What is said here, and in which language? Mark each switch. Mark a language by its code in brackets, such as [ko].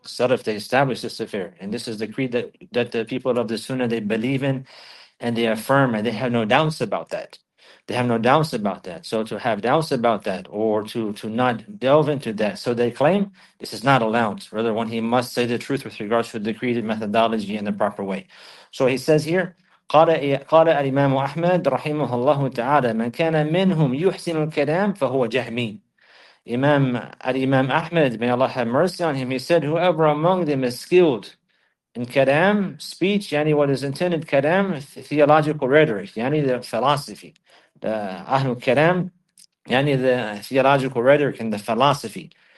[en] Salaf, they establish this affair. And this is the creed that the people of the Sunnah, they believe in, and they affirm, and they have no doubts about that. They have no doubts about that. So to have doubts about that, or to not delve into that, so they claim, this is not allowed. Rather, one, he must say the truth with regards to the creed and methodology in the proper way. [ar] So he says here, قَالَ الْإِمَامُ أَحْمَدُ رَحِيمُهُ اللَّهُ تَعَالَى مَنْ كَانَ مِنْهُمْ يُحْسِنُ الْكَلَامِ فَهُوَ جَهْمِينَ. [en] Imam Ahmed, may Allah have mercy on him, he said, whoever among them is skilled in kalam, speech, yani what is intended, kalam, theological rhetoric, yani the philosophy, the ahlu kalam, yani the theological rhetoric and the philosophy.